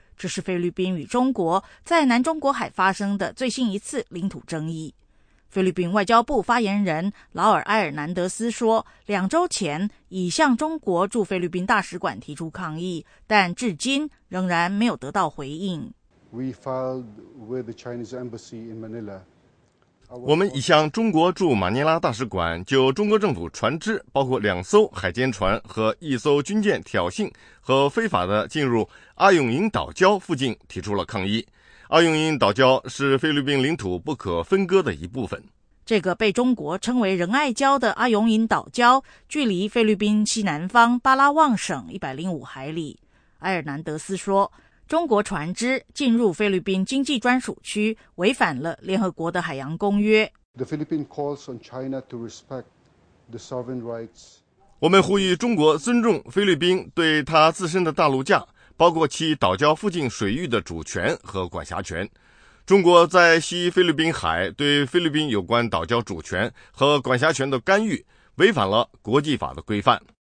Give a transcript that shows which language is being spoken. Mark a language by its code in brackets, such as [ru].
[zh] 这是菲律宾与中国在南中国海发生的最新一次领土争议。菲律宾外交部发言人劳尔埃尔南德斯说，两周前已向中国驻菲律宾大使馆提出抗议，但至今仍然没有得到回应。 [en] We filed with the Chinese embassy in Manila. [zh] 我们已向中国驻马尼拉大使馆就中国政府船只包括两艘海监船和一艘军舰挑衅和非法的进入阿永营岛礁附近提出了抗议。阿永营岛礁是菲律宾领土不可分割的一部分。这个被中国称为仁爱礁的阿勇引岛礁，距离菲律宾西南方巴拉望省105海里。埃尔南德斯说，中国船只进入菲律宾经济专属区违反了联合国的海洋公约。 [en] The Philippines calls on China to respect the sovereign rights. [zh] 我们呼吁中国尊重菲律宾对他自身的大陆架，包括其岛礁附近水域的主权和管辖权。中国在西菲律宾海对菲律宾有关岛礁主权和管辖权的干预违反了国际法的规范。